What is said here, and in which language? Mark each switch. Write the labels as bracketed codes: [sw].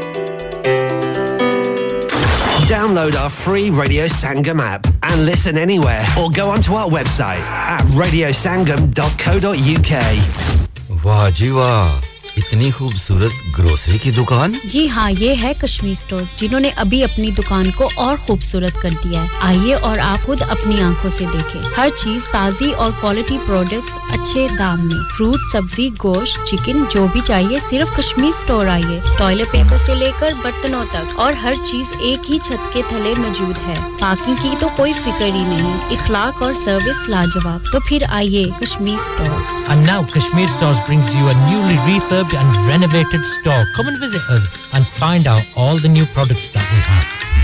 [en] Download our free Radio Sangam app and listen anywhere or go onto our website at radiosangam.co.uk Wow, ji wow! [ur] اتنی خوبصورت grocery کی دکان جی ہاں یہ ہے کشمیر سٹورز جنہوں نے ابھی اپنی دکان کو اور خوبصورت کر دیا ہے آئیے اور آپ خود اپنی آنکھوں سے دیکھیں ہر چیز تازی اور کوالٹی پروڈکٹس اچھے دام میں فروٹ سبزی گوشت چکن جو بھی چاہیے صرف کشمیر سٹور آئیے ٹوائلٹ پیپر سے لے کر برتنوں تک اور ہر چیز ایک ہی چھت کے تھلے موجود ہے پارکنگ کی تو کوئی فکر ہی نہیں اخلاق اور سروس لاجواب تو پھر آئیے Kashmir stores [en] And now Kashmir Stores brings you a newly refurbed and renovated store. Come and visit us and find out all the new products that we have.